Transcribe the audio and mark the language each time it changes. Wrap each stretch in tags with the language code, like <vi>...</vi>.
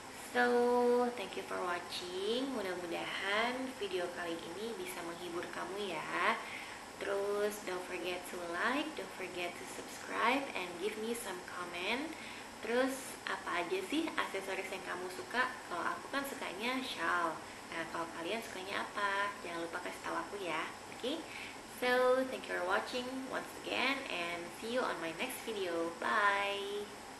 <en>So, thank you for watching.</en> <id>Mudah-mudahan video kali ini bisa menghibur kamu ya. Terus,</id> <en>don't forget to like, don't forget to subscribe, and give me some comment.</en> <id>Terus, apa aja sih aksesoris yang kamu suka? Kalau aku kan sukanya shawl. Nah, kalau kalian sukanya apa? Jangan lupa kasih tahu aku ya.</id> <en>Oke? Okay? So, thank you for watching once again, and see you on my next video. Bye!</en>